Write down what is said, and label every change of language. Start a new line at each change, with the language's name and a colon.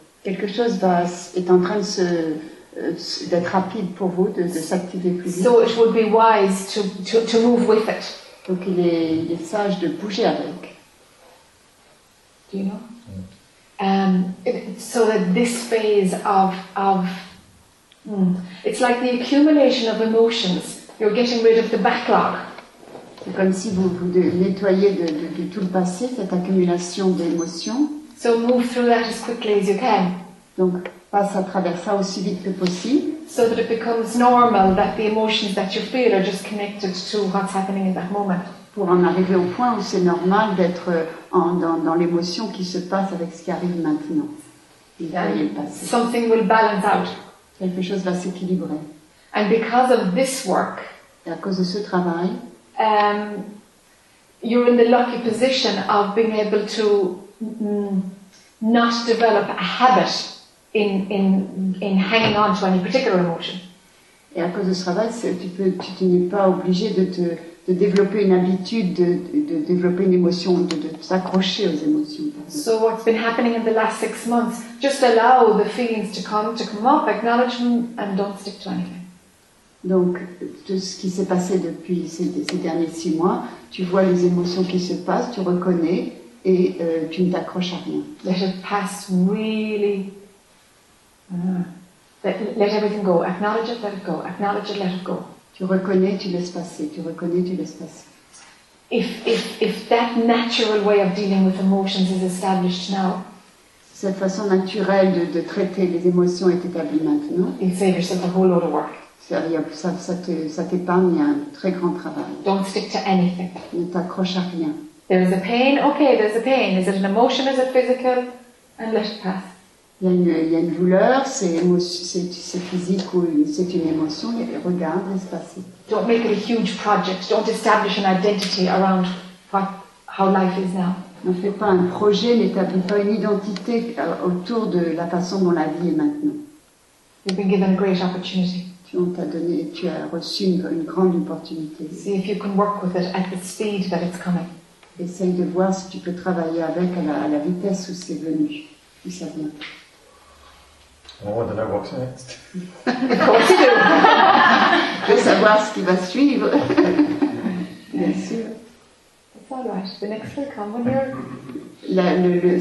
French: Quelque chose est en train d'être rapide pour vous, de s'activer plus vite.
English: So it would be wise to move with it.
French: Donc il est sage de bouger avec.
English: Do you know? So that this phase of it's like the accumulation of emotions. You're getting rid of the backlog.
French: C'est comme si vous nettoyez de tout le passé, cette accumulation d'émotions.
English: So move through that as quickly as you can.
French: Donc passe à travers ça aussi vite que possible.
English: So that it becomes normal that the emotions that you feel are just connected to what's happening in that moment.
French: Pour en arriver au point où c'est normal d'être dans l'émotion qui se passe avec ce qui arrive maintenant. Le passé.
English: Something will balance out.
French: Quelque chose va s'équilibrer.
English: And because of this work,
French: à cause de ce travail,
English: you're in the lucky position of being able to not develop a habit in hanging on to any particular emotion.
French: Et à cause de ce travail, tu n'es pas obligé de te de développer une habitude de développer une émotion de s'accrocher aux émotions.
English: So what's been happening in the last 6 months? Just allow the feelings to come up, acknowledge them and don't stick to anything.
French: Donc tout ce qui s'est passé depuis ces derniers 6 mois, tu vois les émotions qui se passent, tu reconnais et tu ne t'accroches à rien.
English: Let it pass really. Let everything go. Acknowledge it, let it go. Acknowledge it, let it go.
French: Tu reconnais, tu laisses passer. Tu reconnais, tu laisses passer.
English: If that natural way of dealing with emotions is established now,
French: cette façon naturelle de traiter les émotions est établie maintenant.
English: You save yourself a whole lot of work.
French: Ça t'épargne un très grand travail.
English: Don't stick to anything.
French: Ne t'accroche à rien.
English: There is a pain. Okay, there's a pain. Is it an emotion? Is it physical? And let it pass.
French: Il y a une douleur, c'est physique ou c'est une émotion, regarde, laisse passer.
English: Don't make it a huge project, don't establish an identity around how life is now.
French: Ne fais pas un projet, n'établis pas une identité autour de la façon dont la vie est maintenant.
English: You've been given a great opportunity.
French: Tu as reçu une grande opportunité.
English: See if you can work with it at the speed that it's coming.
French: Essaye de voir si tu peux travailler avec à la vitesse où c'est venu, où ça vient.
English: Oh, I don't know what's next. Of course you do.
French: Je veux savoir ce qui va suivre. Bien sûr.
English: It's all right. The next will come when you're...